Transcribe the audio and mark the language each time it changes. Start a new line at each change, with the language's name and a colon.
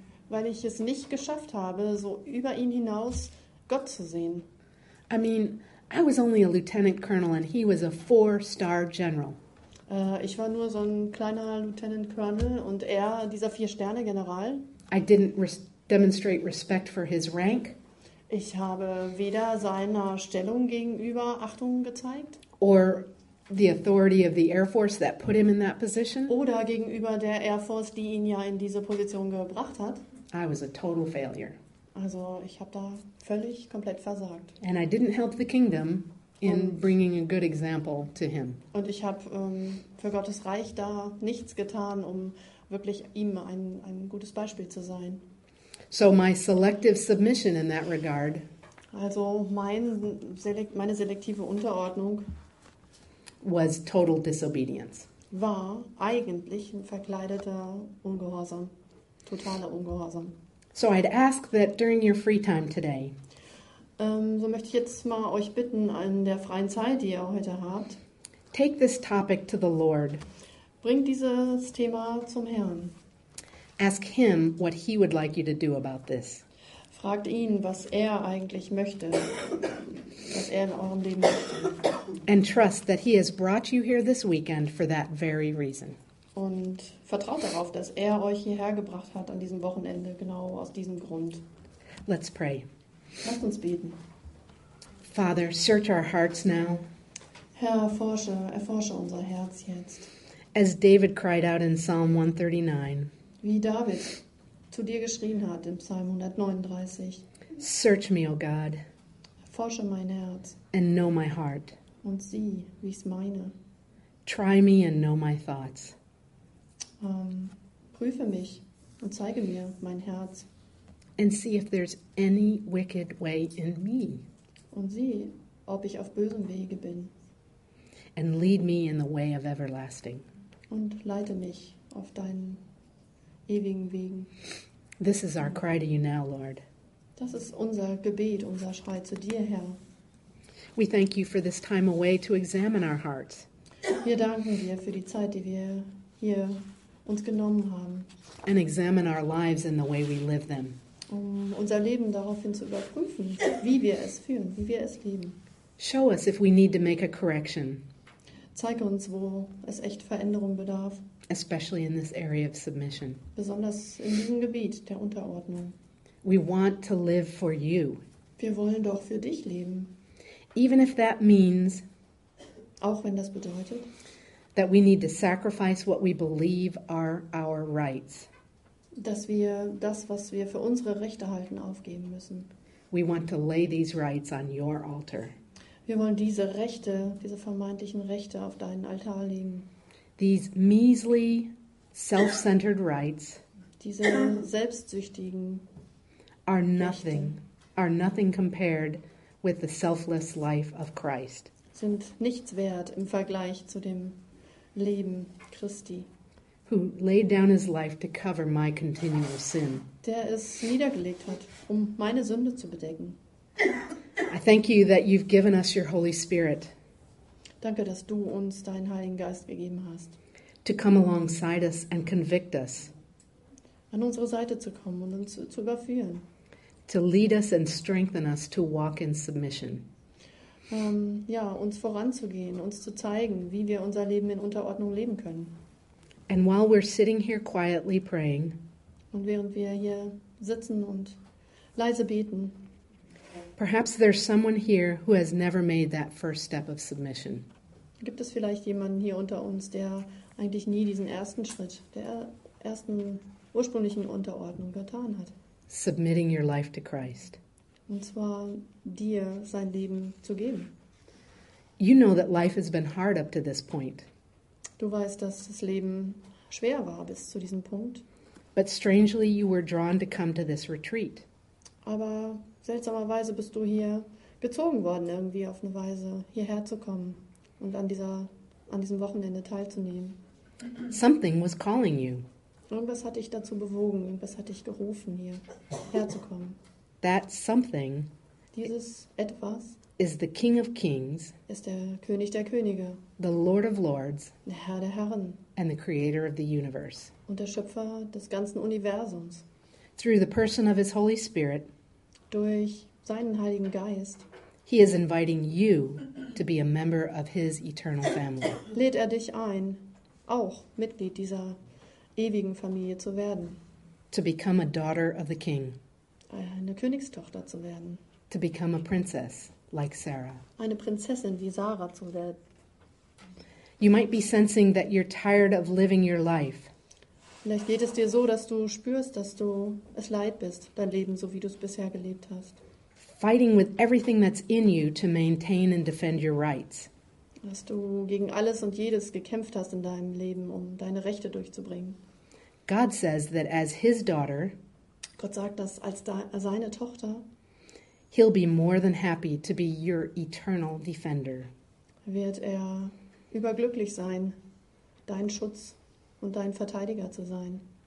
German: Weil ich es nicht geschafft habe, so über ihn hinaus Gott zu sehen.
English: I mean, I was only a lieutenant colonel and he was a 4-star general.
German: Ich war nur so ein kleiner Lieutenant Colonel und er dieser 4-Sterne-General.
English: I didn't demonstrate respect for his rank.
German: Ich habe weder seiner Stellung gegenüber Achtung gezeigt.
English: Or the authority of the Air Force that put him in that position.
German: Oder gegenüber der Air Force, die ihn ja in diese Position gebracht hat.
English: I was a total failure.
German: Also ich habe da völlig komplett versagt.
English: And I didn't help the kingdom in bringing a good example to him.
German: Und ich habe für Gottes Reich da nichts getan, um wirklich ihm ein gutes Beispiel zu sein.
English: So my selective submission in that regard.
German: Also meine selektive Unterordnung
English: was total disobedience.
German: War eigentlich ein verkleideter Ungehorsam, totaler Ungehorsam.
English: So I'd ask that during your free time today.
German: So möchte ich jetzt mal euch bitten, in der freien Zeit, die ihr heute habt,
English: take this topic to the Lord.
German: Bringt dieses Thema zum Herrn.
English: Ask him what he would like you to do about this.
German: Fragt ihn, was er eigentlich möchte, was er in eurem Leben möchte.
English: And trust that he has brought you here this weekend for that very reason.
German: Und vertraut darauf, dass er euch hierher gebracht hat an diesem Wochenende, genau aus diesem Grund.
English: Let's pray.
German: Lasst uns beten.
English: Father, search our hearts now.
German: Herr, erforsche unser Herz jetzt.
English: As David cried out in Psalm 139.
German: Wie David zu dir geschrien hat im Psalm 139.
English: Search me, O God.
German: Erforsche mein Herz.
English: And know my heart.
German: Und sieh, wie es meine.
English: Try me and know my thoughts.
German: Prüfe mich und zeige mir mein Herz.
English: And see if there's any wicked way in me.
German: Und sieh, ob ich auf bösem Wege bin.
English: And lead me in the way of everlasting.
German: Und leite mich auf deinen ewigen Wegen.
English: This is our cry to you now, Lord.
German: Das ist unser Gebet, unser Schrei zu dir, Herr.
English: We thank you for this time away to examine our hearts.
German: Wir danken dir für die Zeit, die wir hier uns genommen haben.
English: And examine our lives in the way we live them.
German: Um unser Leben daraufhin zu überprüfen, wie wir es führen, wie wir es leben.
English: Show us if we need to make a correction.
German: Zeig uns, wo es echt Veränderung bedarf.
English: Especially in this area of submission.
German: Besonders in diesem Gebiet der Unterordnung.
English: We want to live for you.
German: Wir wollen doch für dich leben.
English: Even if that means,
German: auch wenn das bedeutet,
English: that we need to sacrifice what we believe are our rights.
German: Dass wir das, was wir für unsere Rechte halten, aufgeben müssen.
English: We want to lay these rights on your altar.
German: Wir wollen diese Rechte, diese vermeintlichen Rechte, auf deinen Altar legen.
English: These measly, self-centered rights,
German: diese selbstsüchtigen,
English: are nothing compared with the selfless life of Christ.
German: Sind nichts wert im Vergleich zu dem Leben Christi.
English: Who laid down his life to cover my continual sin.
German: Der es niedergelegt hat, um meine Sünde zu bedecken.
English: I thank you that you've given us your Holy Spirit.
German: Danke, dass du uns deinen Heiligen Geist gegeben hast.
English: To come alongside us and convict us.
German: An unsere Seite zu kommen und uns zu überführen.
English: To lead us and strengthen us to walk in submission.
German: Uns voranzugehen, uns zu zeigen, wie wir unser Leben in Unterordnung leben können.
English: And while we're sitting here quietly praying.
German: Und während wir hier sitzen und leise beten.
English: Perhaps there's someone here who has never made that first step of submission.
German: Gibt es vielleicht jemanden hier unter uns, der eigentlich nie diesen ersten Schritt, der ersten ursprünglichen Unterordnung getan hat?
English: Submitting your life to Christ.
German: Und zwar dir sein Leben zu geben.
English: You know that life has been hard up to this point.
German: Du weißt, dass das Leben schwer war bis zu diesem Punkt.
English: But strangely you were drawn to come to this retreat.
German: Aber seltsamerweise bist du hier gezogen worden, irgendwie auf eine Weise hierher zu kommen und an diesem Wochenende teilzunehmen.
English: Something was calling you.
German: Irgendwas hat dich dazu bewogen, irgendwas hat dich gerufen, hier herzukommen.
English: That something,
German: dieses etwas,
English: is the King of Kings,
German: ist der König der Könige,
English: the Lord of Lords,
German: der Herr der Herren,
English: and the Creator of the Universe,
German: und der Schöpfer des ganzen Universums.
English: Through the person of his Holy Spirit,
German: durch seinen Heiligen Geist,
English: he is inviting you to be a member of his eternal family.
German: Lädt dich ein, auch Mitglied dieser ewigen Familie zu werden.
English: To become a daughter of the king.
German: Eine Königstochter zu werden.
English: To become a princess like Sarah.
German: Eine Prinzessin wie Sarah zu werden.
English: You might be sensing that you're tired of living your life.
German: Vielleicht geht es dir so, dass du spürst, dass du es leid bist, dein Leben so wie du es bisher gelebt hast.
English: Fighting with everything that's in you to maintain and defend your rights.
German: Dass du gegen alles und jedes gekämpft hast in deinem Leben, um deine Rechte durchzubringen.
English: God says that as his daughter,
German: Gott sagt, dass als seine Tochter,
English: he'll be more than happy to be your eternal defender.
German: Wird er überglücklich sein, dein Schutz und dein Verteidiger zu sein.